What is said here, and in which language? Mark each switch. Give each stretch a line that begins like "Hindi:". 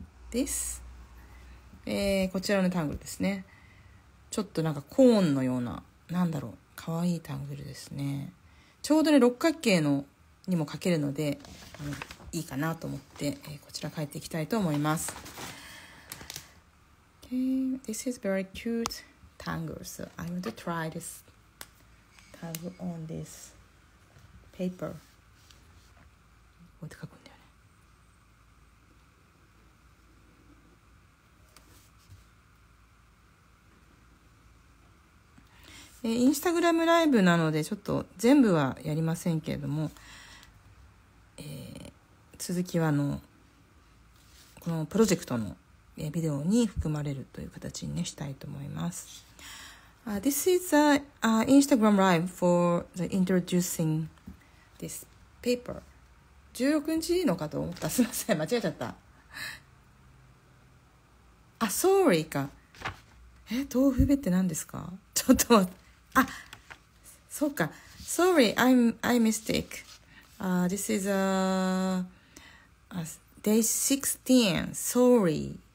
Japanese: This、こちらのタングルですね。ちょっとなんかコーンのような、なんだろう、かわいいタングルですね。ちょうどね、六角形のにも描けるので、あのいいかなと思って、こちら描いていきたいと思います。
English: Okay, This is very cute tangle, so I'm going to try this have on this paper.
Japanese: こうやって書くんだよね。インスタグラムライブなのでちょっと全部はやりませんけれども、続きはこのプロジェクトのビデオに含まれるという形に、ね、したいと思います。
English: This is a Instagram live for the introducing this paper.
Japanese: 16日のかと思った。すみません、間違えちゃった。あ、sorry か。え、豆腐べって何ですか？ちょっと待って。あ、そうか。
English: Sorry, I mistake. This is a day 16. Sorry.